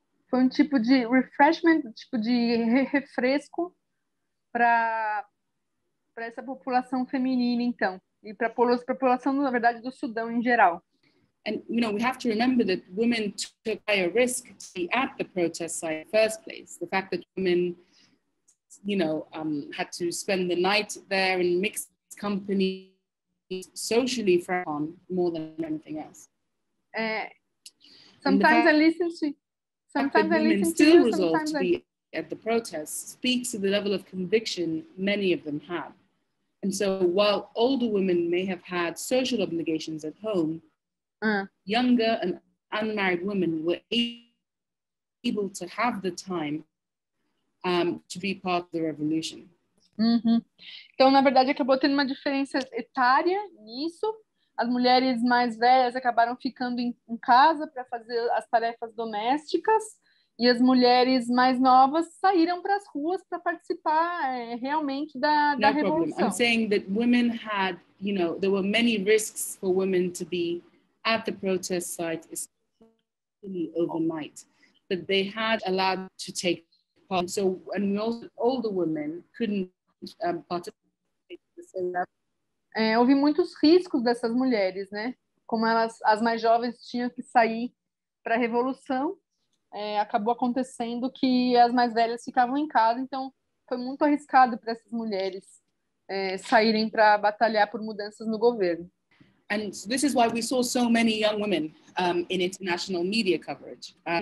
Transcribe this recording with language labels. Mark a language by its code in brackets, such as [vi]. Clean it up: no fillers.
[pt] Foi tipo de refreshment, tipo de refresco para essa população feminina, então, e para a população, na verdade, do Sudão em geral. [en] And you know, we have to remember that women took higher risk to be at the protest site in the first place. The fact that women, you know, had to spend the night there in mixed company, socially frowned on more than anything else. Sometimes I listen to you, at the protests speaks to the level of conviction many of them have. And so while older women may have had social obligations at home, younger and unmarried women were able to have the time to be part of the revolution. Uhum. [pt] Então, na verdade, acabou tendo uma diferença etária nisso. As mulheres mais velhas acabaram ficando em casa para fazer as tarefas domésticas e as mulheres mais novas saíram para as ruas para participar realmente da revolução. [en] Problem. I'm saying that women had, you know, there were many risks for women to be at the protest site, especially overnight, but they had allowed to take. So, and we also, older women couldn't participate in the same level. [pt] Houve muitos riscos dessas mulheres, né? Como elas, as mais jovens tinham que sair para a revolução, acabou acontecendo que as mais velhas ficavam em casa, então foi muito arriscado para essas mulheres saírem para batalhar por mudanças no governo. [en] And so this is why we saw so many young women in international media coverage.